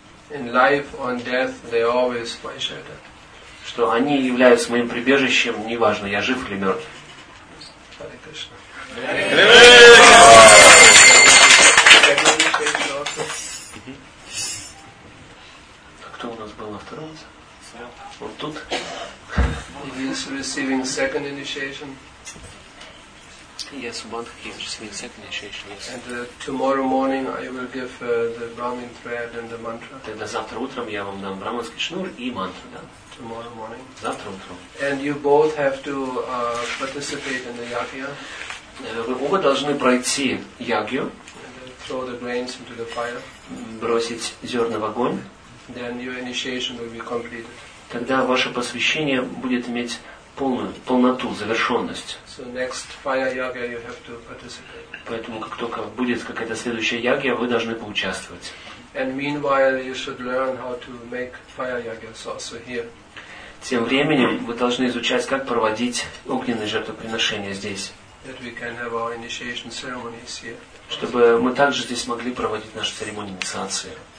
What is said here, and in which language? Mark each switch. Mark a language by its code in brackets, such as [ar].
[en] In life or in death they always my shelter. [ru] Что они являются моим прибежищем, неважно, я жив или мертв. [en] Hare Krishna. [ru] Кто у нас был на втором? Вот тут. [en] He is receiving second initiation. Yes, one hears. Exactly. Yes. And tomorrow morning I will give the Brahmin thread and the mantra. [ru] Тогда завтра утром я вам дам браманский шнур и мантру, да? [en] Tomorrow morning. [ru] Завтра утром. [en] And you both have to participate in the yagya. [ru] Вы оба должны пройти ягью. [en] Throw the grains into the fire. [ru] Бросить зерна в огонь. [en] Then your initiation will be completed. [ru] Тогда ваше посвящение будет иметь полную, полноту, завершенность. [en] So next fire yagya you have to participate. [ru] Поэтому как только будет какая-то следующая ягья, вы должны поучаствовать. [en] And meanwhile you should learn how to make fire yagyas also here. [ru] Тем временем вы должны изучать, как проводить огненные жертвоприношения здесь. [en] That we can have our initiation ceremonies here. [ru] Чтобы мы также здесь могли проводить наши церемонии инициации.